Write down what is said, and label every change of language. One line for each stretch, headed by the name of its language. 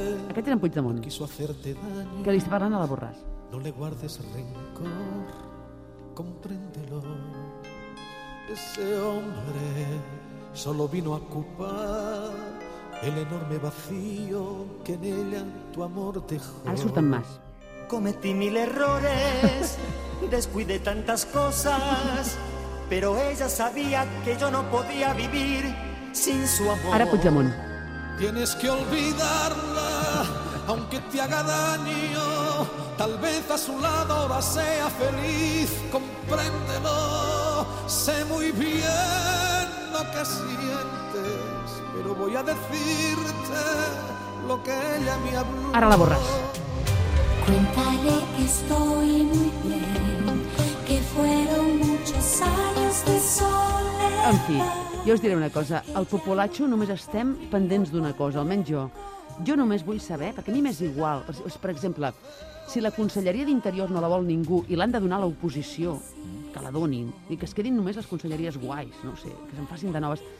Catalan: Aquest era en Puigdemont, que li està parlant a la Borràs.
Spanish: No le guardes rencor, compréndelo. Ese hombre solo vino a ocupar el enorme vacío que en ella tu amor dejó.
Catalan: Ara surten Mas.
Spanish: Cometí mil errores, descuidé tantas cosas, pero ella sabía que yo no podía vivir sin su amor.
Catalan: Ara Puigdemont.
Spanish: Tienes que olvidarla, aunque te haga daño. Tal vez a su lado va sea feliz, compréndelo. Sé muy bien lo que sientes, pero voy a decirte lo que ella me habló.
Catalan: Ara la Borràs.
Spanish: Cuéntale que estoy muy bien, que fueron muchos años de soledad.
Catalan: En fi, jo us diré una cosa. Al populatxo només estem pendents d'una cosa, almenys jo. Jo només vull saber, perquè a mi m'és igual. Per exemple, si la Conselleria d'Interior no la vol ningú i l'han de donar a l'oposició, que la donin, i que es quedin només les conselleries guais, no sé, que se'n facin de noves.